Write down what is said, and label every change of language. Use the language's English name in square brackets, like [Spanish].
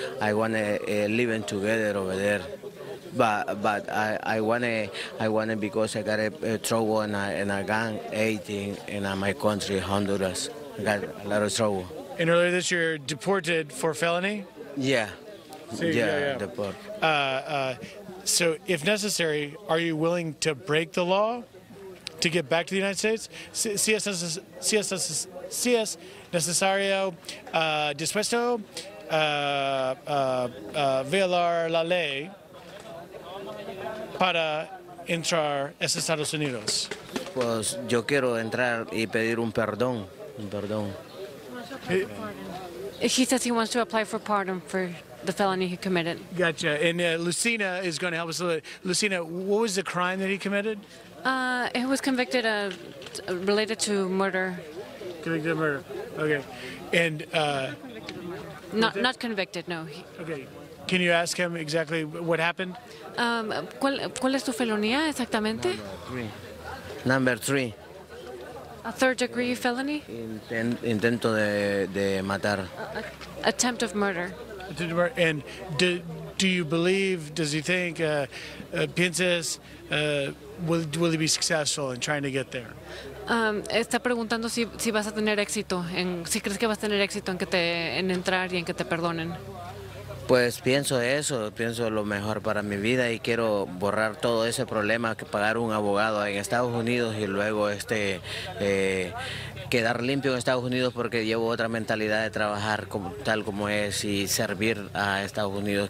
[English] I want to live in together over there. But I want to because I got a trouble and a gang 18 in my country, Honduras. I got a lot of trouble. And earlier this year, deported for felony? Yeah. So if necessary, are you willing to break the law to get back to the United States? [Spanish] Si es necesario, dispuesto, violar la ley para entrar a Estados Unidos? Pues yo quiero entrar y pedir un perdón. Perdón. [English] He says he wants to apply for pardon for the felony he committed. Gotcha. And Lucina is going to help us a little. Lucina, what was the crime that he committed? He was convicted of related to murder. Convicted of murder. Okay. And not convicted. No. Okay. Can you ask him exactly what happened? [Spanish] ¿Cuál es tu felonía exactamente? [English] Number three. A third degree felony? [Spanish] Intento de matar. [English] Attempt of murder. And will he be successful in trying to get there? [Spanish] Está preguntando si vas a tener éxito, si crees que vas a tener éxito en entrar y en que te perdonen. Pues pienso eso, pienso lo mejor para mi vida y quiero borrar todo ese problema que pagar un abogado en Estados Unidos y luego quedar limpio en Estados Unidos porque llevo otra mentalidad de trabajar como, tal como es y servir a Estados Unidos.